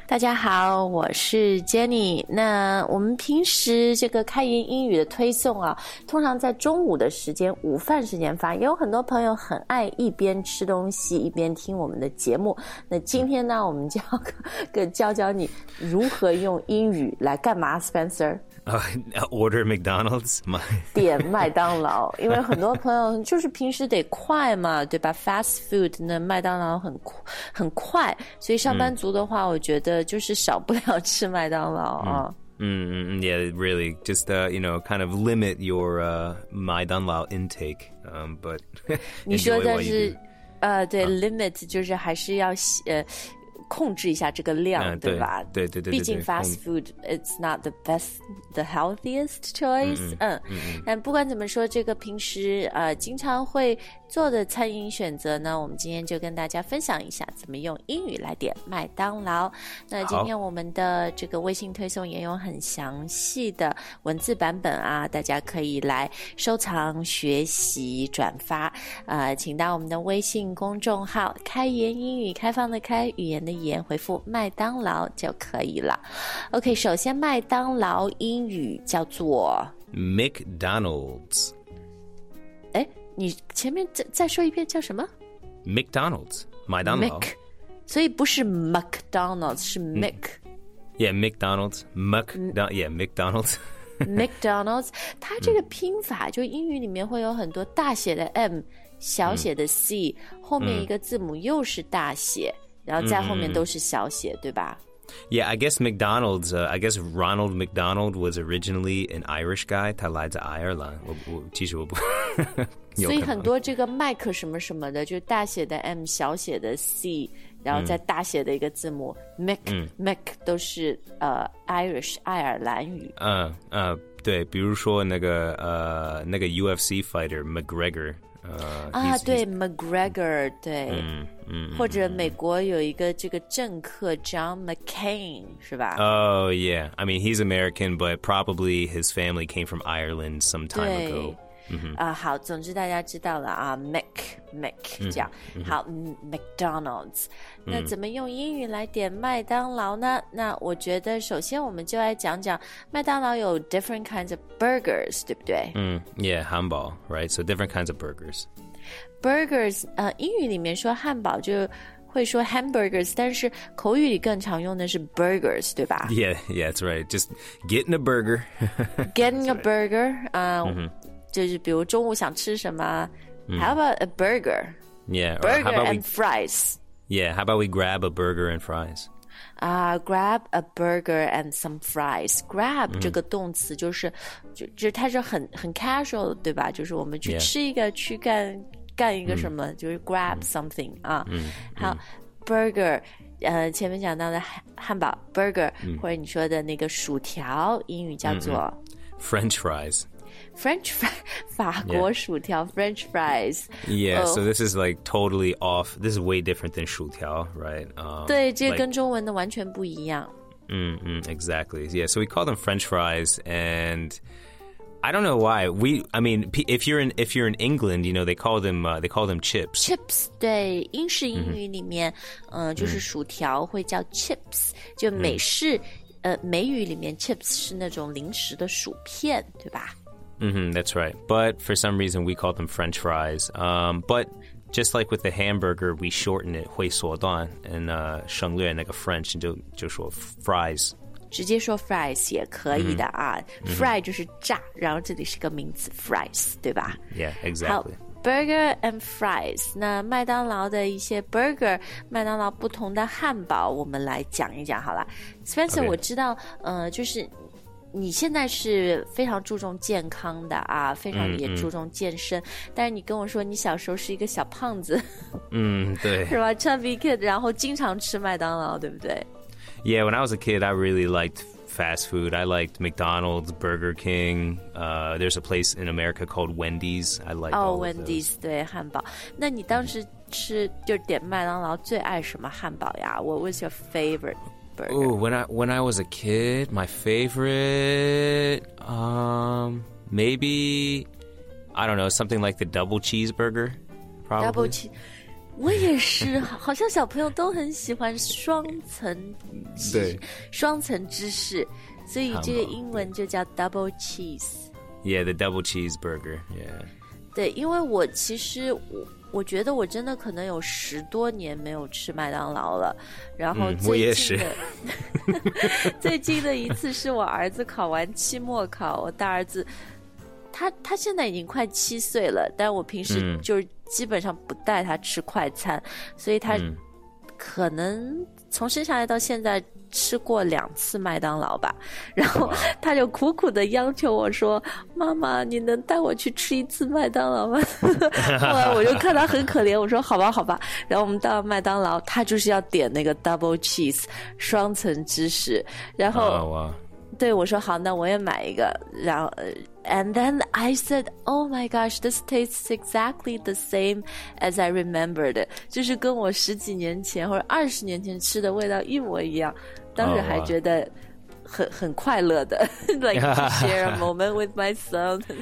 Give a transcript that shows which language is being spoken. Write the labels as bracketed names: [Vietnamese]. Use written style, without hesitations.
[Chinese] 大家好我是 Jenny 那我们平时这个开言英语的推送啊通常在中午的时间午饭时间发也有很多朋友很爱一边吃东西一边听我们的节目那今天呢我们就要教教你如何用英语来干嘛 Spencer [English] Order McDonald's [Chinese] 点麦当劳因为很多朋友就是平时得快嘛对吧 Fast food 那麦当劳很快所以上班族的话我觉得就是少不了吃麦当劳啊。 [English] Yeah, really. Just, you know, kind of limit your Maidanlao intake. But [Chinese] 你说的是对 limit 就是还是要控制一下这个量对吧对对对毕竟 [English] fast food it's not the best the healthiest choice [Chinese] 但不管怎么说这个平时经常会做的餐饮选择呢我们今天就跟大家分享一下怎么用英语来点麦当劳那今天我们的这个微信推送也有很详细的文字版本啊大家可以来收藏学习转发请到我们的微信公众号开言英语开放的开语言的言回复麦当劳就可以了 OK 首先麦当劳英语叫做 [English] McDonald's [Chinese] 诶你前面 再说一遍叫什么 McDonald's 麦当劳 Mc, 所以不是 McDonald's 是 Mc [English] Yeah McDonald's Yeah McDonald's [Chinese] McDonald's 它这个拼法就英语里面会有很多大写的 M 小写的 C 后面一个字母又是大写然后在后面都是小写对吧 [English] Yeah I guess McDonald's I guess Ronald McDonald was originally an Irish guy [Chinese] 他来自爱尔兰我其实我不所以很多这个麦克什么什么的就大写的 M 小写的 C 然后再大写的一个字母 Mc 都是Irish 爱尔兰语对比如说那个 UFC fighter McGregor 对 McGregor 对或者美国有一个这个政客 John McCain 是吧 [English] Oh yeah I mean he's American but probably his family came from Ireland some time ago [Chinese] 好总之大家知道了啊 Mc 这样好 McDonald's 那怎么用英语来点麦当劳呢那我觉得首先我们就来讲讲麦当劳有 [English] different kinds of burgers [Chinese] 对不对 [English] Yeah 汉堡 right so different kinds of burgers [Chinese] burgers 英语里面说汉堡就会说 hamburgers 但是口语里更常用的是 burgers 对吧 [English] yeah that's right just getting a burger [Chinese] getting a burger 就是比如中午想吃什么、 [English] How about a burger? Yeah. Burger and fries. Yeah, how about we grab a burger and fries? Grab a burger and some fries. Grab 这个动词就是就它是很 casual, 对吧就是我们去吃一个、去干一个什么、就是 grab something. 好 burger, 前面讲到的汉堡 burger, 或者你说的那个薯条英语叫做 French fries. French fries, 法国薯条 French fries. Yeah, so this is like totally off. This is way different than 薯条, right? [Chinese] 对，这跟中文的完全不一样。 [English] Exactly. Yeah, so we call them French fries, and I don't know why. If you're in England, you know, they call them chips. [Chinese] Chips, 对，英式英语里面，就是薯条会叫 chips, 就美式，美语里面 chips 是那种零食的薯片，对吧？ [English] That's right. But for some reason, we call them French fries. But just like with the hamburger, we shorten it [Chinese] 会缩短 [English] and [Chinese] 省略那个 [English] French [Chinese] 就说 [English] fries. [Chinese] 直接说 fries 也可以的啊。Fry 就是炸，然后这里是个名词 fries， 对吧 [English] ？Yeah, exactly. Burger and fries. [Chinese] 那麦当劳的一些 burger， 麦当劳不同的汉堡，我们来讲一讲好了。 Spencer， [English] okay. [Chinese] 我知道，就是。你现在是非常注重健康的啊，非常也注重健身。但是你跟我说，你小时候是一个小胖子，对，是吧 ？ [English] Chubby kid， [Chinese] 然后经常吃麦当劳，对不对 [English] ？Yeah, when I was a kid, I really liked fast food. I liked McDonald's, Burger King. There's a place in America called Wendy's. I like all of [Chinese] Wendy's, 对，汉堡。那你当时吃，就点麦当劳，最爱什么汉堡呀？ [English] What was your favorite burger? Ooh, when I was a kid, my favorite, maybe, I don't know, something like the double cheeseburger, probably. Double cheese. [Chinese] 我也是，好像小朋友都很喜欢双层芝士，双层芝士，所以这个英文就叫 double cheese. [English] Yeah, the double cheeseburger. Yeah. [Chinese] 对，因为我其实我觉得我真的可能有十多年没有吃麦当劳了，然后最近的、我也是最近的一次是我儿子考完期末考，我大儿子。他现在已经快七岁了，但我平时就基本上不带他吃快餐，所以他可能从生下来到现在吃过两次麦当劳吧。然后他就苦苦地央求我说：“妈妈，你能带我去吃一次麦当劳吗？” 后来我就看他很可怜，我说：“好吧，好吧。” 然后我们到了麦当劳，他就是要点那个 double cheese 双层芝士，然后。对我说好那我也买一个然后 [English] And then I said Oh my gosh This tastes exactly the same As I remembered [Chinese] 就是跟我十几年前或者二十年前吃的味道一模一样当时还觉得很快乐的 [English] Like to share a moment with my son